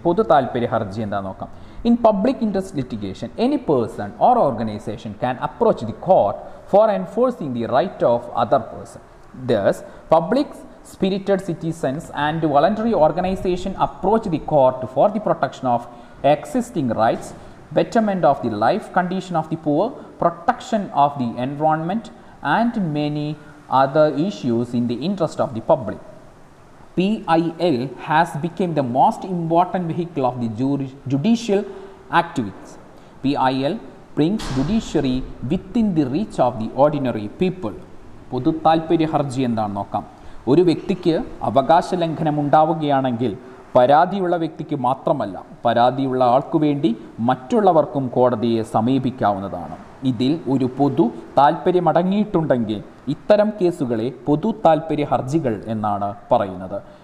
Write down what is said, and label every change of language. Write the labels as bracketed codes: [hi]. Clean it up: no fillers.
[ml] പൊതു താല്പര്യ ഹർജി എന്താ നോക്കാം. [en] In public interest litigation any person or organisation can approach the court for enforcing the right of other person. Thus public spirited citizens and voluntary organization approach the court for the protection of existing rights, betterment of the life condition of the poor, protection of the environment and many other issues in the interest of the public. PIL has become the most important vehicle of the judicial activists. PIL brings judiciary within the reach of the ordinary people. [ml] പൊതു താൽപര്യ ഹർജി എന്താണ് നോക്കാം. ഒരു വ്യക്തിക്ക് അവകാശ ലംഘനം ഉണ്ടാവുകയാണെങ്കിൽ പരാതിയുള്ള വ്യക്തിക്ക് മാത്രമല്ല പരാതിയുള്ള ആൾക്കു വേണ്ടി മറ്റുള്ളവർക്കും കോടതിയെ സമീപിക്കാവുന്നതാണ്. ഇതിൽ ഒരു പൊതു താല്പര്യമടങ്ങിയിട്ടുണ്ടെങ്കിൽ ഇത്തരം കേസുകളെ പൊതു താല്പര്യ ഹർജികൾ എന്നാണ് പറയുന്നത്.